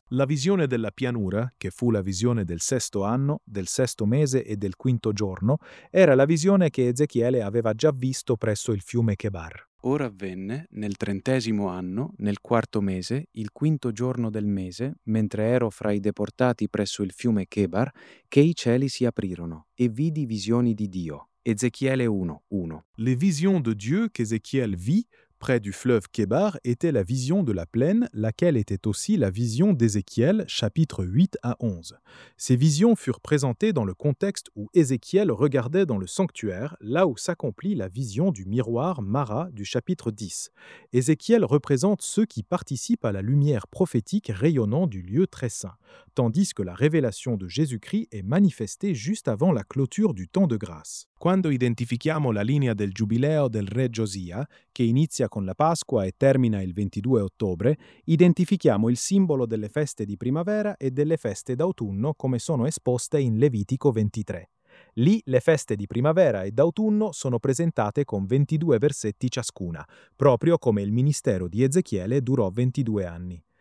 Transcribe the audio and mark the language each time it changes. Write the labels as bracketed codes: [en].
[it] La visione della pianura, che fu la visione del sesto anno, del sesto mese e del quinto giorno, era la visione che Ezechiele aveva già visto presso il fiume Chebar. Ora avvenne, nel trentesimo anno, nel quarto mese, il quinto giorno del mese, mentre ero fra i deportati presso il fiume Chebar, che i cieli si aprirono, e vidi visioni di Dio. Ezechiele 1:1. [fr] Les visions de Dieu qu'Ézéchiel vit près du fleuve Kébar, était la vision de la plaine, laquelle était aussi la vision d'Ézéchiel, chapitres 8 à 11. Ces visions furent présentées dans le contexte où Ézéchiel regardait dans le sanctuaire, là où s'accomplit la vision du miroir Mara du chapitre 10. Ézéchiel représente ceux qui participent à la lumière prophétique rayonnant du lieu très saint, tandis que la révélation de Jésus-Christ est manifestée juste avant la clôture du temps de grâce. [it] Quando identifichiamo la linea del giubileo del re Giosia, che inizia con la Pasqua e termina il 22 ottobre, identifichiamo il simbolo delle feste di primavera e delle feste d'autunno come sono esposte in Levitico 23. Lì le feste di primavera e d'autunno sono presentate con 22 versetti ciascuna, proprio come il ministero di Ezechiele durò 22 anni.